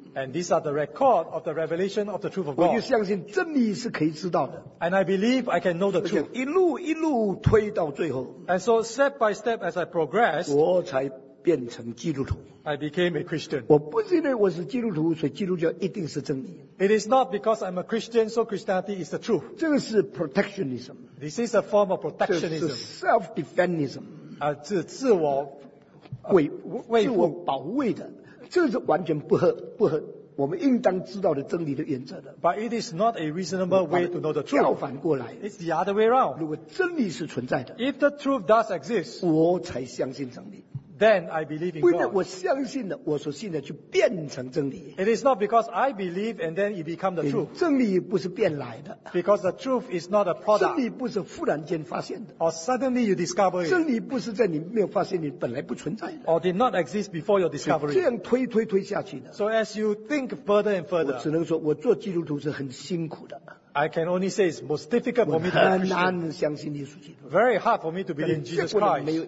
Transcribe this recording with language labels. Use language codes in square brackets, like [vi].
[en] and these are the record of the revelation of the truth of God. [zh] 我就相信真理是可以知道的, [en] and I believe I can know the truth. [zh] 一路推到最后, [en] and so step by step as I progressed, [zh] 我才变成基督徒, [en] I became a Christian. [zh] 我不是因为我是基督徒, 所以基督教一定是真理, [en] it is not because I'm a Christian, so Christianity is the truth. [zh] 这是 protectionism. [en] This is a form of protectionism. [zh] 这是 self-defensism. 自我自我保卫的，这是完全不合我们应当知道的真理的原则的。 [en] But it is not a reasonable way to know the truth. [zh] 调反过来, [en] it's the other way around. [zh] 如果真理是存在的, [en] if the truth does exist, [zh] 我才相信真理。 [en] Then I believe in God. [zh] 不因为我相信的，我所信的就变成真理。 [en] It is not because I believe and then it becomes the truth. [zh] 真理不是变来的。 [en] Because the truth is not a product. [zh] 真理不是忽然间发现的。 [en] Or suddenly you discover it. [zh] 真理不是在你没有发现你本来不存在的。 [en] Or did not exist before your discovery. [zh] 这样推下去的。 [en] So as you think further and further. [zh] 我只能说我做基督徒是很辛苦的。 [en] I can only say it's most difficult for me to believe. Very hard for me to believe in Jesus Christ.